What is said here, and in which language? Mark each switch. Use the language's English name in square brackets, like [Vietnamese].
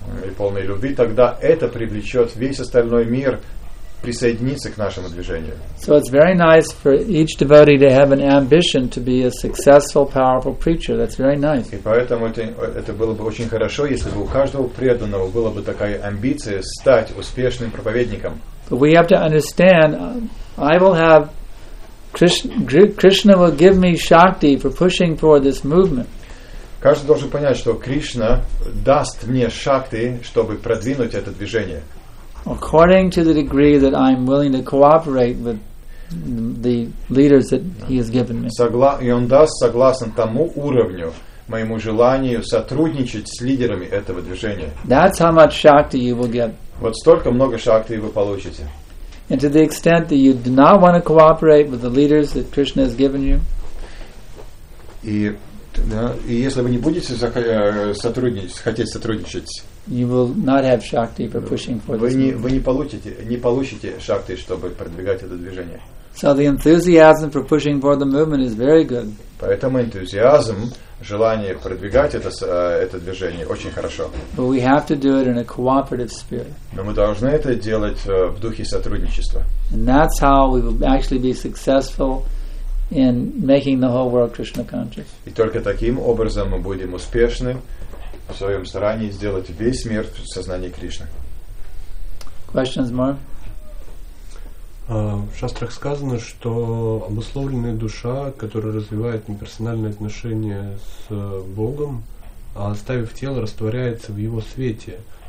[Russian] И полной любви, тогда это привлечет весь остальной мир присоединиться к нашему движению. [English] So it's very nice for each devotee to have an ambition to be a successful, powerful preacher. That's very nice. [Russian] И поэтому это было бы очень хорошо, если бы у каждого преданного была бы такая амбиция стать успешным проповедником. [English] But we have to understand, I will have Krishna will give me Shakti for pushing for this movement. [Russian] Каждый должен понять, что Кришна даст мне шакти, чтобы продвинуть это движение. [English] According to the degree that I'm willing to cooperate with the leaders that he has given me. [Russian] И он даст согласно тому уровню, в моему желанию сотрудничать с лидерами этого движения. [English] That's how much shakti you will get. [Russian] Вот столько много шакти вы получите. [English] And to the extent that you do not want to cooperate with the leaders that Krishna has given you. [Russian] И если вы не будете хотеть сотрудничать, [English] you will not have shakti for pushing for this. [Russian] Вы не получите шакти, чтобы продвигать это движение. [English] So the enthusiasm for pushing for the movement is very good. [Russian] Поэтому энтузиазм, желание продвигать это движение, очень хорошо. [English] But we have to do it in a cooperative spirit. [Russian] Но мы должны это делать в духе сотрудничества. [English] And that's how we will actually be successful in making the whole world Krishna conscious. [Russian] И только таким образом мы будем успешны в своем старании сделать весь мир в сознании Кришны. [English] Questions more? [Russian] В шастрах сказано, что обусловленная душа, которая развивает неперсональные отношения с Богом, оставив тело, растворяется в его свете.